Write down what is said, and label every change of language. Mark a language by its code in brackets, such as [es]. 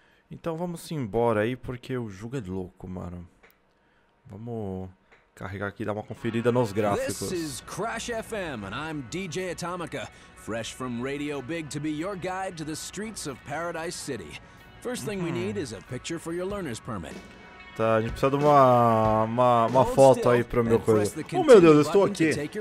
[pt] Então vamos embora aí porque o jogo é louco, mano. Vamos carregar aqui e dar uma conferida nos gráficos. [en] This is Crash FM and I'm DJ Atomica, fresh from Radio Big to be your guide to the streets of Paradise City. First thing we need is a picture for your learner's permit. [pt] Tá, a gente precisa de uma foto aí pra minha coisa. Oh, meu Deus, eu estou aqui.